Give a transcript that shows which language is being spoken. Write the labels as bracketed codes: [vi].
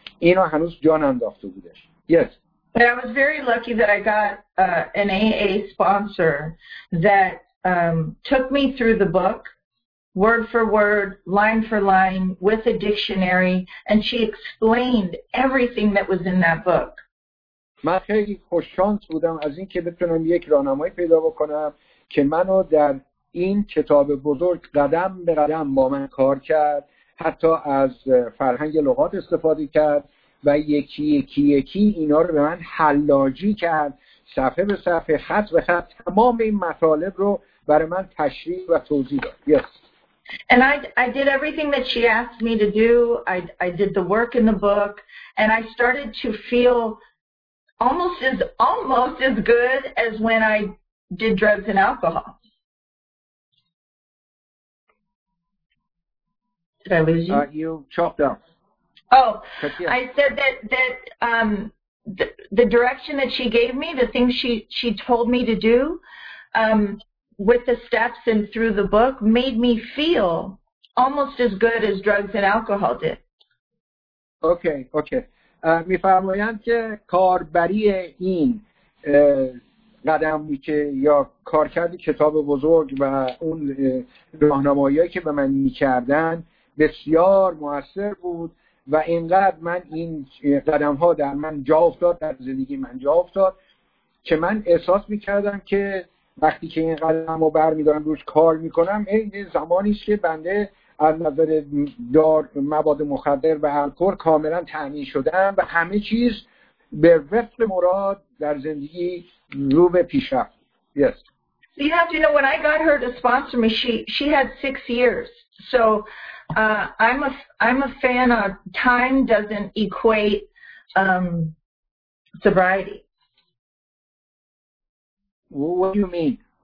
[fa] اینا هنوز جان انداخته بودش. [en] Yes. But I was very lucky that I got an AA sponsor that took me through the book word for word, line for line, with a dictionary, and she explained everything that was in that book. [fa] من خیلی خوششانس بودم از این که بتونم یک راهنمایی پیدا بکنم که منو در این کتاب بزرگ قدم به قدم با من کار کرد، حتی از فرهنگ لغات استفاده کرد و یکی اینا رو به من حلاجی کرد، صفحه به صفحه، خط به خط، تمام این مطالب رو برای من تشریح و توضیح داد. [en] Yes. And I did everything that she asked me to do. I did the work in the book and I started to feel almost as good as when I did drugs and alcohol. Did I lose you? You chopped up. Oh, I said that the direction that she gave me, the things she told me to do, with the steps and through the book made me feel almost as good as drugs and alcohol did. Okay. [fa] میفرمایند که کاربری این قدمی که یا کارکرد کتاب بزرگ و اون راهنمایی‌هایی که به من می‌کردن بسیار مؤثر بود و اینقدر من این قدم‌ها در من جا افتاد، در زندگی من جا افتاد که من احساس می‌کردم که وقتی که این قدم رو بر میدارم روش کار میکنم این زمانیست که بنده از نظر دار مواد مخدر و الکل کاملا تأمین شدم و همه چیز به وفق مراد در زندگی رو به پیش رفت. [en] Yes. You have to know when I got her to sponsor me she had 6 years. So I'm a fan of time doesn't equate sobriety. What do you mean?